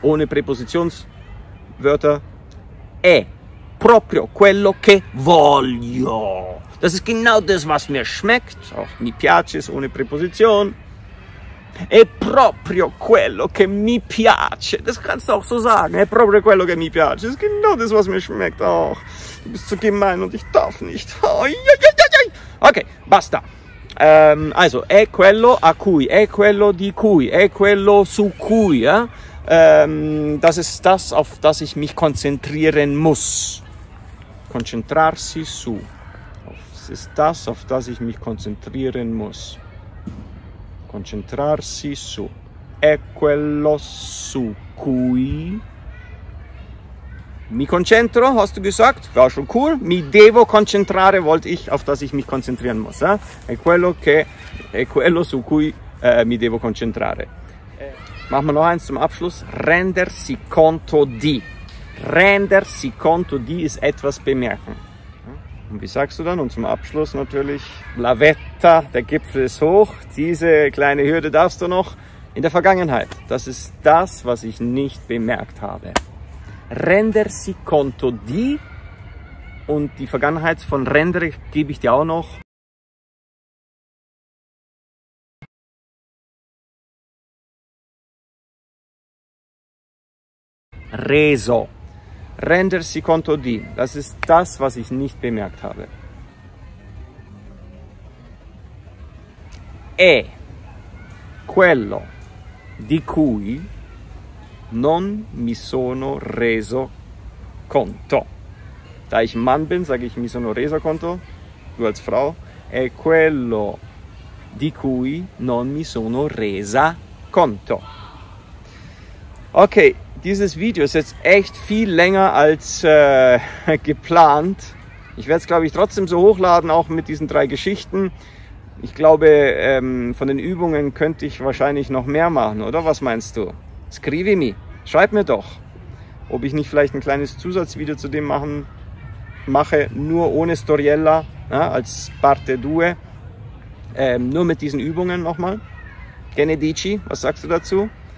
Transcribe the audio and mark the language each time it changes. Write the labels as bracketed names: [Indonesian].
[German] Ohne Präpositionswörter. [Italian] È proprio quello che voglio. [German] Das ist genau das, was mir schmeckt, auch [Italian] mi piace [German] ist ohne Präposition. [Italian] È proprio quello che mi piace. [German] Das kannst du auch so sagen. [Italian] È proprio quello che mi piace. [German] Das ist genau das, was mir schmeckt. Oh, du bist so gemein und ich darf nicht. [Italian] Okay, basta. Also, è quello a cui. È quello di cui. È quello su cui. [German] Das ist das, auf das ich mich konzentrieren muss. [Italian] Konzentrarsi su. [German] Das ist das, auf das ich mich konzentrieren muss. [Italian] Concentrarsi su. È quello su cui. Mi concentro, [German] hast du gesagt? War schon cool. [Italian] Mi devo concentrare, [German] wollte ich, auf das ich mich konzentrieren muss. Eh? [Italian] È quello su cui mi devo concentrare. [German] Machen wir noch eins zum Abschluss. [Italian] Rendersi conto di. Rendersi conto di [German] ist etwas bemerken. Und wie sagst du dann? Und zum Abschluss natürlich, [Italian] la vetta, [German] der Gipfel ist hoch, diese kleine Hürde darfst du noch. In der Vergangenheit, das ist das, was ich nicht bemerkt habe. [Italian] Rendersi conto di, [German] und die Vergangenheit von rendere gebe ich dir auch noch. [Italian] Reso. Rendersi conto di, [German] das ist das, was ich nicht bemerkt habe. [Italian] È quello di cui non mi sono reso conto. [German] Da ich Mann bin, sage ich [Italian] mi sono reso conto, [German] du als Frau. [Italian] È quello di cui non mi sono resa conto. Okay. [German] Dieses Video ist jetzt echt viel länger als geplant. Ich werde es, glaube ich, trotzdem so hochladen, auch mit diesen drei Geschichten. Ich glaube, von den Übungen könnte ich wahrscheinlich noch mehr machen, oder? Was meinst du? [Italian] Scrivimi, [German] schreib mir doch, ob ich nicht vielleicht ein kleines Zusatzvideo zu dem mache, nur ohne Storiella, ja, als Parte 2, nur mit diesen Übungen nochmal. [Italian] Che ne dici? [German] Was sagst du dazu?